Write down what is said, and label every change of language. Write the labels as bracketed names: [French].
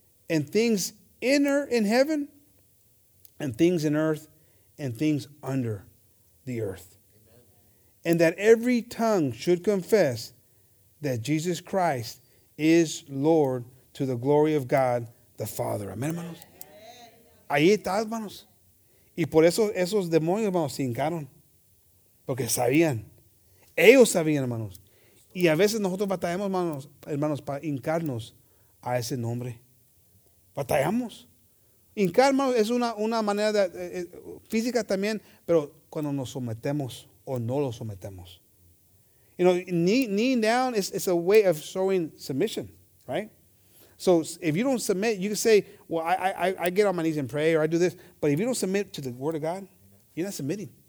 [English] And things in heaven, and things in earth, and things under the earth. Amen. And that every tongue should confess that Jesus Christ is Lord to the glory of God the Father. [Spanish] Amen, hermanos. Ahí está, hermanos. Y por eso esos demonios, hermanos, se hincaron. Porque sabían. Ellos sabían, hermanos. Y a veces nosotros batallamos, hermanos, para hincarnos a ese nombre. Batallamos. Hincar, hermanos, es una manera de, física también, pero cuando nos sometemos o no lo sometemos. [English] You know, kneeing down is a way of showing submission, right? So if you don't submit, you can say, well, I get on my knees and pray, or I do this. But if you don't submit to the word of God, you're not submitting.